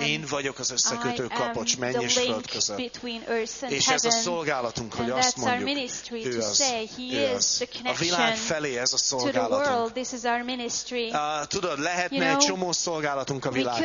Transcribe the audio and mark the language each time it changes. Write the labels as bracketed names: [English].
[Hungarian] Én vagyok az összekötő kapocs menny és föld között. [English] Between earth and [Hungarian] és És ez a szolgálatunk, hogy [English] and [Hungarian] azt mondjuk. [English] And that's our ministry to say he is the connection. [Hungarian] A világ felé ez a szolgálatunk. [English] To the world, this is our ministry. [Hungarian] Tudod, lehetne egy csomó szolgálatunk a világ